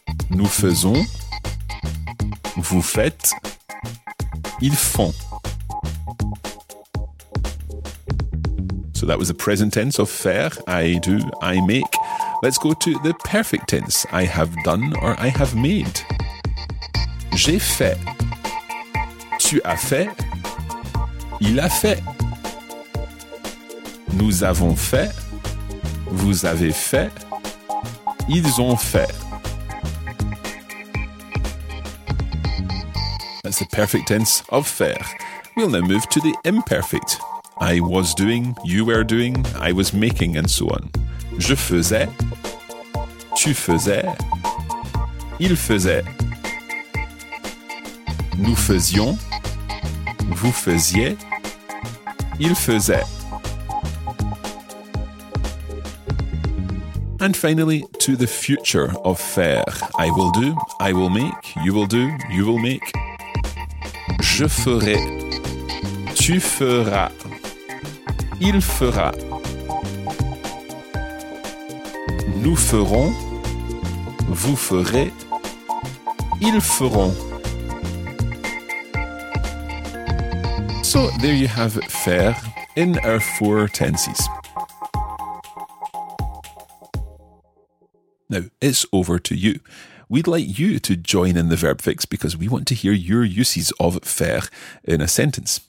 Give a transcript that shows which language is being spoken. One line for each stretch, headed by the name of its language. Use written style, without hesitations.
French: Nous faisons, vous faites, ils font.
English: So that was the present tense of faire, I do, I make. Let's go to the perfect tense, I have done or I have made.
French: J'ai fait, tu as fait, il a fait. Nous avons fait, vous avez fait, ils ont fait.
English: That's the perfect tense of faire. We'll now move to the imperfect. I was doing, you were doing, I was making, and so on.
French: Je faisais. Tu faisais. Il faisait. Nous faisions. Vous faisiez. Il faisait.
English: And finally, to the future of faire. I will do, I will make, you will do, you will make.
French: Je ferai, tu feras, il fera, nous ferons, vous ferez, ils feront.
English: So there you have faire in our four tenses. Now it's over to you. We'd like you to join in the Verb Fix because we want to hear your uses of faire in a sentence.